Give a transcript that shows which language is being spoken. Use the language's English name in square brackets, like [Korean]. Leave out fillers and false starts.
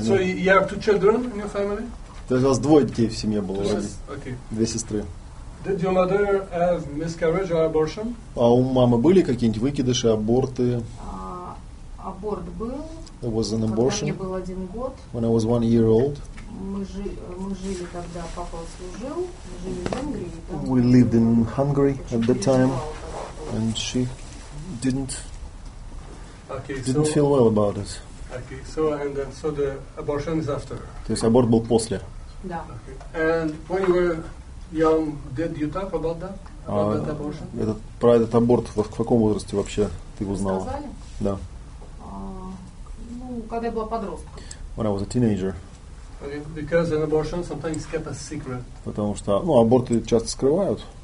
[English] So you have two children in your family? [Russian] То есть у вас двое детей в семье было, [English] okay. [Russian] Две сестры. [English] Did your mother have miscarriage or abortion? [Russian] А у мамы были какие-нибудь выкидыши, аборты? Аборт был. [English] It was an abortion. [Russian] Когда мне был один год. [English] When I was one year old. [Russian] Мы жили тогда, папа служил, мы жили в Венгрии. [English] We lived in Hungary at the time. And she didn't didn't feel well about it. Okay, so and then, so the abortion is after. [Russian] То есть аборт был после. Да. [English] And when you were young, did you talk about that? About that abortion? [Russian] Про этот аборт в каком возрасте вообще ты узнала? Сказали? Да. Ну, когда я была подростком. [English] When I was a teenager. Okay, because an abortion sometimes kept a secret. [Russian] Потому что, ну, аборты часто скрывают.